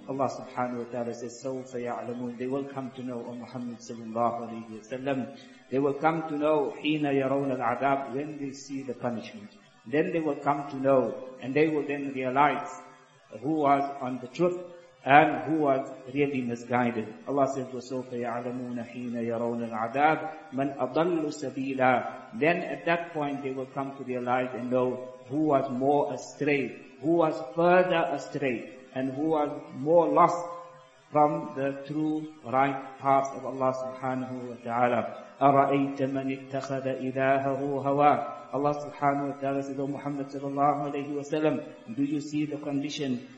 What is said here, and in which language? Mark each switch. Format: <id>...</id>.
<en>Allah subhanahu wa ta'ala says,</en> <ar>سَوْفَ يَعْلَمُونَ.</ar> <en>They will come to know, O Muhammad sallallahu alayhi wa sallam. They will come to know,</en> <ar>حِينَ يَرَوْنَ الْعَذَابِ,</ar> <en>when they see the punishment. Then they will come to know, and they will then realize who was on the truth and who was really misguided. Allah says,</en> <ar>وَسَوْفَ يَعْلَمُونَ حِينَ يَرَوْنَ الْعَذَابِ مَنْ أَضَلُّ سَبِيلًا.</ar> <en>Then at that point they will come to realize and know who was more astray, who was further astray, and who was more lost from the true right path of Allah subhanahu wa ta'ala.</en> <ar>أَرَأَيْتَ مَنِ اتَّخَذَ إِلَاهَهُ هَوَى.</ar> <en>Allah subhanahu wa ta'ala says, O Muhammad sallallahu alayhi wa sallam, do you see the condition?</en>